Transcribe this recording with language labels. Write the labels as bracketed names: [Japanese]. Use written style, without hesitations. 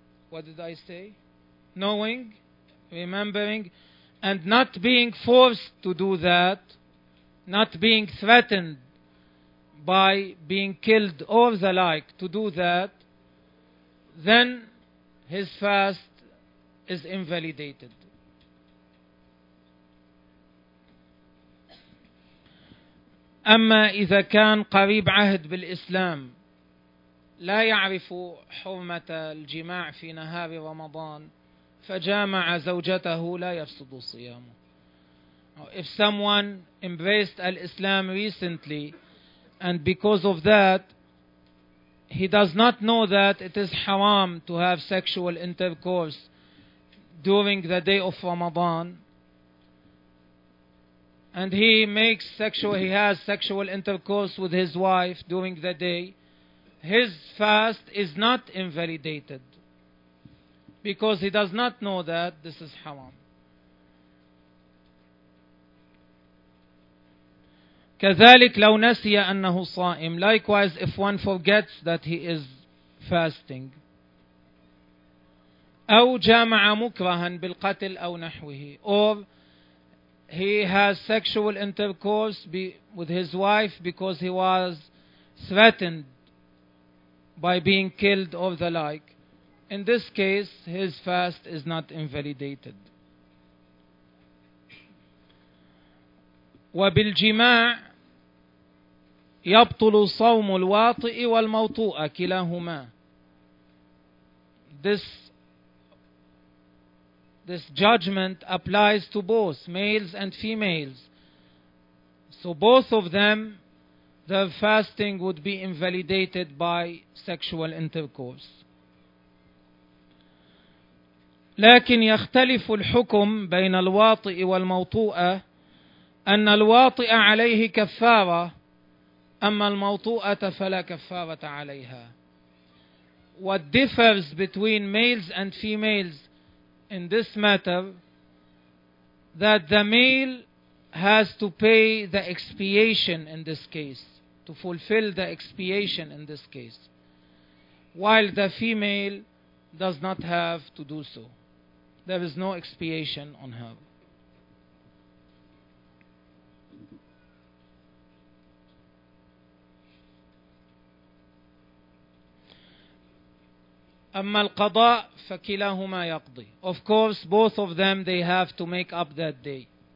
[English] What did I say? Knowing, remembering, and not being forced to do that, not being threatened by being killed or the like to do that, then his fast is invalidated. [Arabic] أما إذا كان قريب عهد بالإسلام لا يعرف حرمة الجماع في نهار رمضان فجامع زوجته لا يفسد صيامه. [English] If someone embraced Islam recently and because of that he does not know that it is haram to have sexual intercourse during the day of Ramadan, and he has sexual intercourse with his wife during the day, his fast is not invalidated because he does not know that this is haram. [Arabic] كذلك لو نسي أنه صائم. [English] Likewise, if one forgets that he is fasting. [Arabic] أو جامع مكرها بالقتل أو نحوه. [English] Or he has sexual intercourse with his wife because he was threatened by being killed or the like. In this case, his fast is not invalidated. [Arabic] وبالجماع يبطل صوم الواطئ والموطوء كلاهما. [English] This judgment applies to both males and females. So both of them, their fasting would be invalidated by sexual intercourse. [Arabic] لكن يختلف الحكم بين الواطئ والموطوء أن الواطئ عليه كفارة أما الموطوءة فلا كفارة عليها. [English] What differs between males and females in this matter that the male has to pay the expiation in this case, to fulfill the expiation in this case, while the female does not have to do so. There is no expiation on her. [Arabic] أما القضاء فكلاهما يقضي. [English] Of course, both of them, they have to make up that day.